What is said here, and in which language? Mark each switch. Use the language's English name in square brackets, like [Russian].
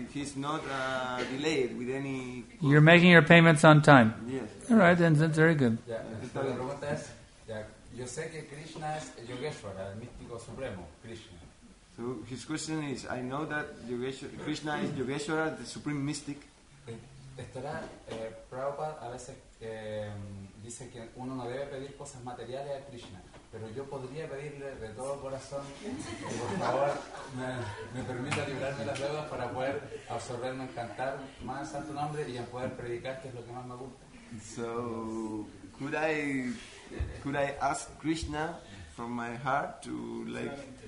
[English] He's not delayed with any... You're making your payments on time. Yes. All right, then that's very good. [Spanish] Yeah. La pregunta es, yo sé que Krishna es Yogeshwar, el místico supremo, Krishna. [English] So his question is, I know that Krishna is Yogeshwara, the supreme mystic. [Spanish] Estará, Prabhupada a veces dice que uno no debe pedir cosas materiales a Krishna, pero yo podría pedirle de todo corazón que por favor me permita librarme las deudas para poder absorberme en cantar más santo nombre y en poder predicar, que es lo que más me gusta. [English] So, could I ask Krishna from my heart to like...